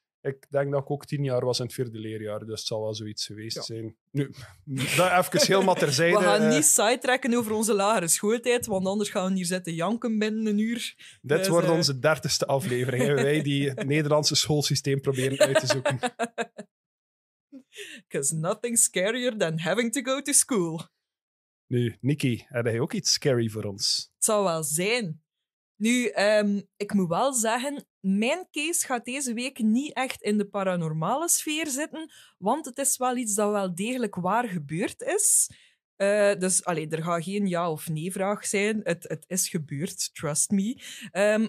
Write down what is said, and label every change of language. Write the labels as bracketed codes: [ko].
[nl] Ik denk dat ik ook 10 jaar was in het vierde leerjaar, dus het zal wel zoiets geweest zijn. Nu, dat even helemaal terzijde. We gaan niet sidetracken over onze lagere schooltijd, want anders gaan we hier zitten janken binnen een uur. Dit dus, wordt onze 30e aflevering, hè, wij die het Nederlandse schoolsysteem proberen uit te zoeken. [en] Because nothing scarier than having to go to school. [nl] Nu, Nikki, heb jij ook iets scary voor ons? Het zal wel zijn. Nu, ik moet wel zeggen, mijn case gaat deze week niet echt in de paranormale sfeer zitten, want het is wel iets dat wel degelijk waar gebeurd is. Er gaat geen ja of nee vraag zijn. Het is gebeurd, trust me.